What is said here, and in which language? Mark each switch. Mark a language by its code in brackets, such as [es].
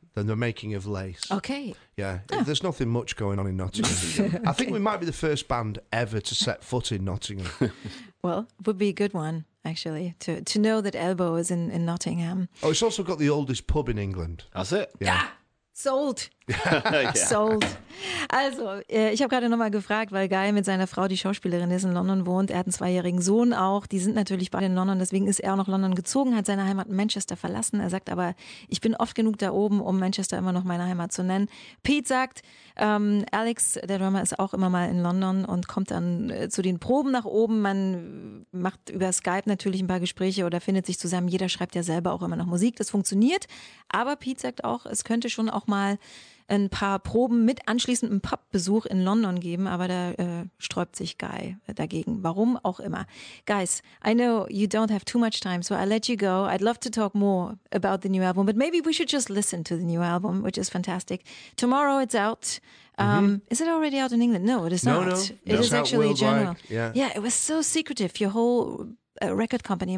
[en] And the making of lace. Okay. Yeah. Oh. There's nothing much going on in Nottingham. Okay. I think we might be the first band ever to set foot in Nottingham. Well, it would be a good one, actually, to know that Elbow is in Nottingham. Oh, it's also got the oldest pub in England. That's it? Yeah. Sold. Sold. [de] Also, ich habe gerade nochmal gefragt, weil Guy mit seiner Frau, die Schauspielerin ist, in London wohnt. Er hat einen 2-jährigen Sohn auch. Die sind natürlich beide in London. Deswegen ist er auch nach London gezogen, hat seine Heimat Manchester verlassen. Er sagt aber, ich bin oft genug da oben, um Manchester immer noch meine Heimat zu nennen. Pete sagt, Alex, der Drummer, ist auch immer mal in London und kommt dann zu den Proben nach oben. Man macht über Skype natürlich ein paar Gespräche oder findet sich zusammen. Jeder schreibt ja selber auch immer noch Musik. Das funktioniert. Aber Pete sagt auch, es könnte schon auch mal ein paar Proben mit anschließendem Pubbesuch in London geben, aber da sträubt sich Guy dagegen. Warum auch immer. [en] Guys, I know you don't have too much time, so I'll let you go. I'd love to talk more about the new album, but maybe we should just listen to the new album, which is fantastic. Tomorrow it's out. Is it already out in England? No, it is not. No. It's actually general. Yeah. Yeah, it was so secretive, your whole record company.